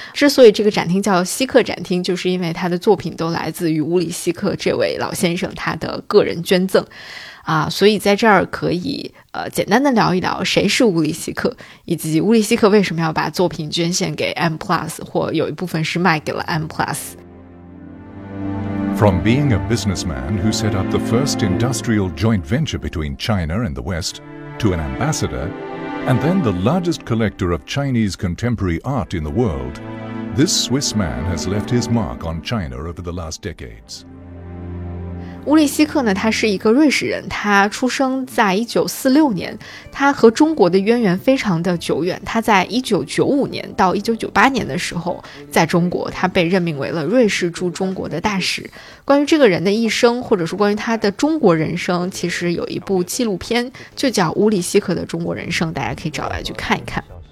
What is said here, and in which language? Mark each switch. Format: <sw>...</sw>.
<zh>之所以这个展厅叫西鹤展厅，就是因为他的作品都来自于乌利西克这位老先生他的个人捐赠啊，所以在这儿可以简单的聊一聊谁是乌利希克，以及乌利希克为什么要把作品捐献给 M Plus， 或有一部分是卖给了 M Plus。</zh> <en>From being a businessman who set up the first industrial joint venture between China and the West to an ambassador, and then the largest collector of Chinese contemporary art in the world, this Swiss man has left his mark on China over the last decades.</en> <zh>乌利希克呢，他是一个瑞士人，他出生在1946年，他和中国的渊源非常的久远，他在1995年到1998年的时候在中国，他被任命为了瑞士驻中国的大使。关于这个人的一生，或者说关于他的中国人生，其实有一部纪录片就叫乌利希克的中国人生，大家可以找来去看一看。</zh>